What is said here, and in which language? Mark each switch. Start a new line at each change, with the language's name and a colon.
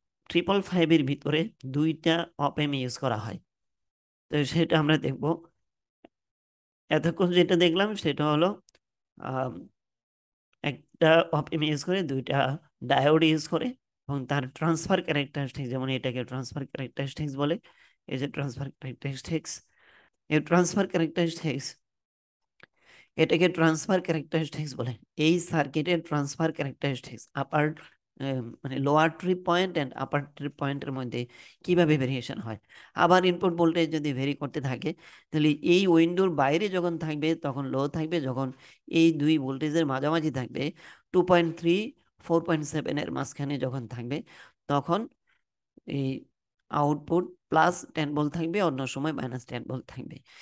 Bangla: 555-এর ভিতরে দুইটা অপ এম ইউজ করা হয়, তো সেটা আমরা দেখব। এতক্ষণ যেটা দেখলাম সেটা হলো একটা অপ এম ইউজ করে দুইটা ডায়োড ইউজ করে, এবং তার ট্রান্সফার ক্যারেক্টারিস্টিক্স, যেমন এটাকে ট্রান্সফার ক্যারেক্টারিস্টিক্স বলে,
English: is a transfer characteristics. A transfer characteristics.
Bangla: এটাকে ট্রান্সফার ক্যারেক্টারিস্টিক্স বলে, এই সার্কিটের ট্রান্সফার ক্যারেক্টারিস্টিক্স আপার মানে lower trip point and upper trip পয়েন্টের মধ্যে কীভাবে ভেরিয়েশন হয়। আবার ইনপুট ভোল্টেজ যদি ভেরি করতে থাকে তাহলে এই উইন্ডোর বাইরে যখন থাকবে তখন লো থাকবে, যখন এই দুই ভোল্টেজের মাঝামাঝি থাকবে 2.3 4.7-এর মাঝখানে যখন থাকবে তখন এই আউটপুট প্লাস 10 ভোল্ট থাকবে, অন্য সময় -10 ভোল্ট থাকবে।